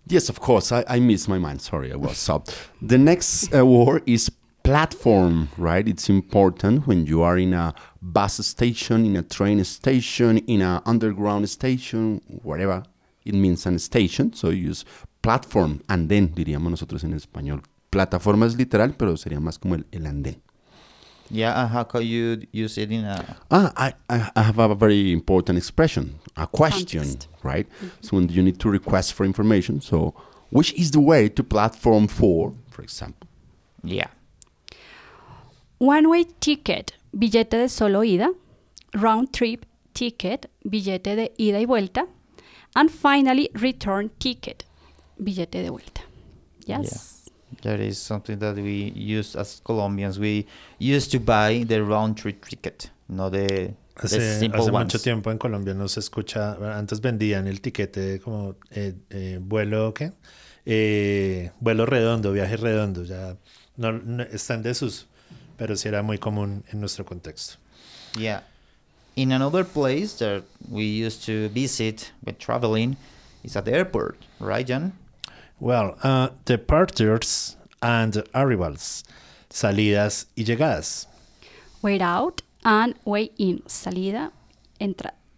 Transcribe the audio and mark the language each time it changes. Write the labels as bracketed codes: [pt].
[en] Yes, of course. I missed my mind. Sorry, I was stopped. The next word is platform, right? It's important when you are in a bus station, in a train station, in an underground station, whatever. It means a station, so you use platform. [es] Andén, diríamos nosotros en español. Plataforma es literal, pero sería más como el andén. [en] Yeah, how can you use it in a... I have a very important expression, a question, context. Right? Mm-hmm. So when you need to request for information, so which is the way to platform for example? Yeah. One-way ticket, [es] billete de solo ida, [en] round-trip ticket, [es] billete de ida y vuelta, [en] and finally, return ticket, [es] billete de vuelta. [en] Yes. Yeah. That is something that we use as Colombians. We used to buy the round-trip ticket, no the simple ones. [es] Hace mucho tiempo en Colombia no se escucha, antes vendían el tiquete como vuelo, ¿qué? Vuelo redondo, viaje redondo, ya no está en desuso. Pero sí era muy común en nuestro contexto. [en] Yeah. In another place that we used to visit when traveling is at the airport, right, Jan? Well, departures and arrivals, [es] salidas y llegadas. [en] Way out and way in, [es] salida, entra.